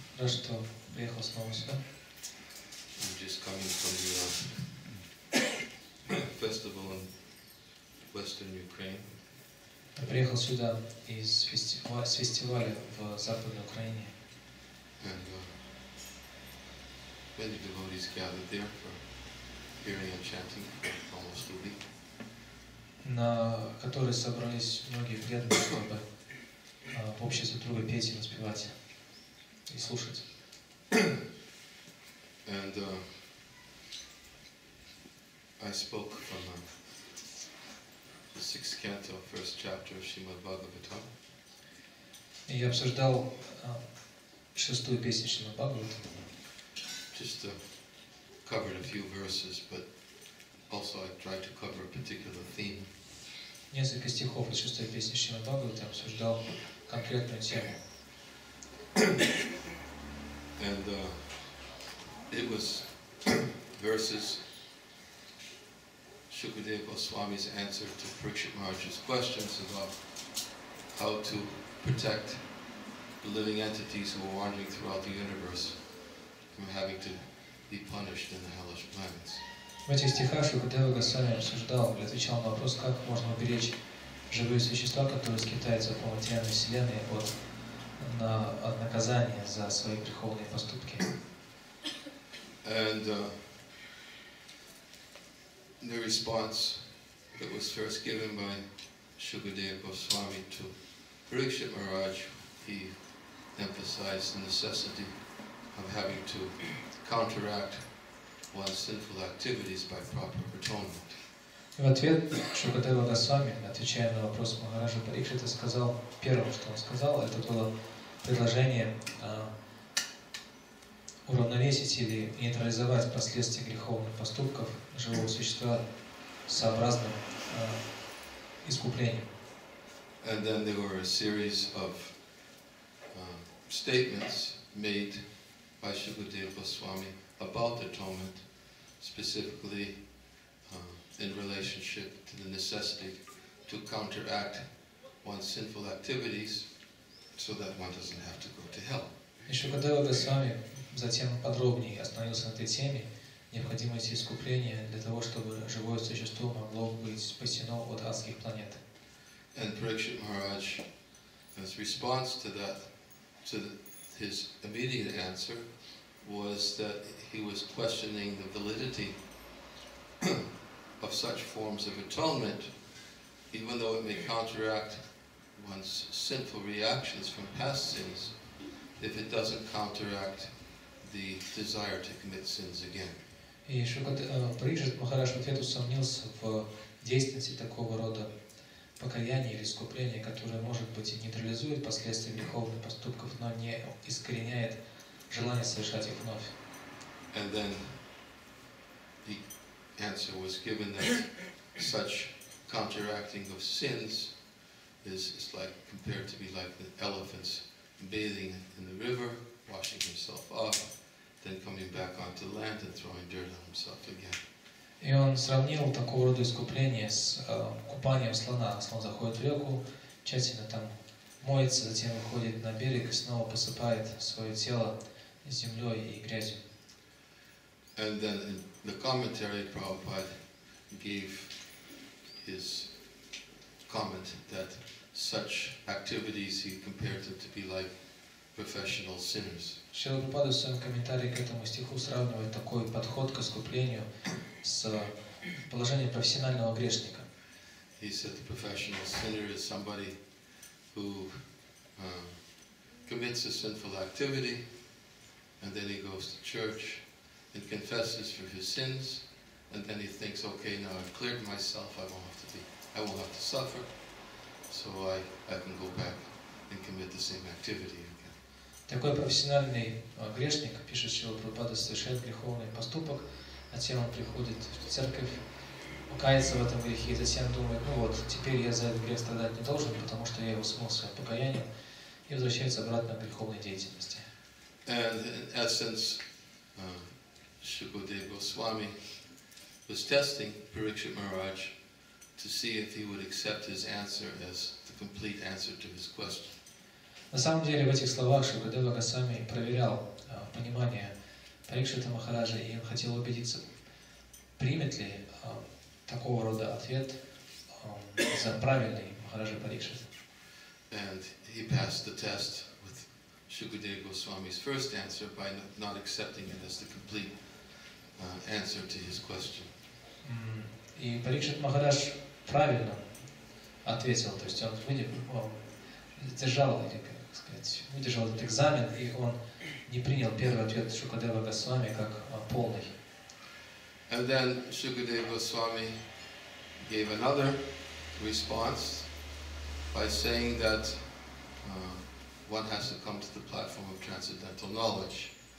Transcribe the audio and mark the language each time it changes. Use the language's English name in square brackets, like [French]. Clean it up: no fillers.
[English] I'm just coming from the festival in Western Ukraine. [Russian] Я приехал сюда из фестиваля в Западной Украине. [English] And many devotees gathered there for hearing and chanting for almost a week. [Russian] На которой собрались многие преданные, чтобы общее сотрудничество петь и наспевать и слушать. [English] And I spoke from the sixth canto, first chapter of Srimad Bhagavatam. [Russian] Я обсуждал шестую песню Шримад Бхагаватам. [English] Just covered a few verses, but also I tried to cover a particular theme. [Russian] Несколько стихов из шестой песни Шримад Бхагаватам обсуждал конкретную тему. [English] And it was verses Shukadeva Goswami's answer to Parikshit Maharaj's questions about how to protect the living entities who are wandering throughout the universe from having to be punished in the hellish planets. [Russian] В этих стихах Шукадева Госвами обсуждал или отвечал на вопрос, как можно уберечь живые существа, которые скитаются по материальной вселенной от от наказания за свои греховные поступки. [English] And the response that was first given by Shukadeva Goswami to Parikshit Maharaj, he emphasized the necessity of having to counteract one's sinful activities by proper atonement. [Russian] В ответ Шукадева Госвами, отвечая на вопрос Махараджа Парикшита, сказал, первое, что он сказал, это было предложение уравновесить или нейтрализовать последствия греховных поступков живого существа сообразно искуплению. [English] And then there were a series of statements made by Shukadeva Goswami about atonement, specifically in relationship to the necessity to counteract one's sinful activities so that one doesn't have to go to hell. [Russian] И Шукадева Госвами затем подробнее остановился на этой теме необходимости искупления для того, чтобы живое существо могло быть спасено от адских планет. [English] And Parikshit Maharaj, his response to that, to his immediate answer, was that he was questioning the validity of such forms of atonement, even though it may counteract one's sinful reactions from past sins, if it doesn't counteract the desire to commit sins again. [Russian] И Парикшит Махарадж в ответ усомнился в действенности такого рода покаяния или искупления, которое, может быть, и нейтрализует последствия греховных поступков, но не искореняет желание совершать их вновь. [English] And then the answer was given that such counteracting of sins is like compared to be like the elephants bathing in the river, washing himself off, then coming back onto land and throwing dirt on himself again. [Russian] И он сравнил такого рода искупление с купанием слона. Слон заходит в реку, тщательно там моется, затем выходит на берег и снова посыпает свое тело землей и грязью. [English] And then in the commentary Prabhupada gave his comment that such activities he compared them to be like professional sinners. [Russian] Шрила Прабхупада в своем комментарии к этому стиху сравнивает такой подход к искуплению с положением профессионального грешника. [English] He said the professional sinner is somebody who commits a sinful activity and then he goes to church and confesses for his sins and then he thinks, okay, now I've cleared myself, I won't have to suffer, so I can go back and commit the same activity again. [Russian] Такой профессиональный грешник, пишет Шрила Прабхупада, совершает греховный поступок, а затем он приходит в церковь, покаяться в этом грехе, и затем думает, ну вот, теперь я за этот грех страдать не должен, потому что я его смыл своим покаянием, и возвращается обратно к греховной деятельности. [English] And in essence, Shukadeva Goswami was testing Parikshit Maharaj to see if he would accept his answer as the complete answer to his question. [Russian] На самом деле, в этих словах Шукадева Госвами проверял понимание Парикшита Махараджа, и он хотел убедиться, примет ли такого рода ответ за правильный Махараджа Парикшит. [English] And he passed the test with Shukadeva Goswami's first answer by not accepting it as the complete answer to his question. [Russian] И Парикшит Махарадж правильно ответил, то есть он выдержал этот экзамен, и он не принял первый ответ Шукадева Госвами как полный. [English] And then Shukadeva Goswami gave another response by saying that one has to come to the platform of transcendental knowledge.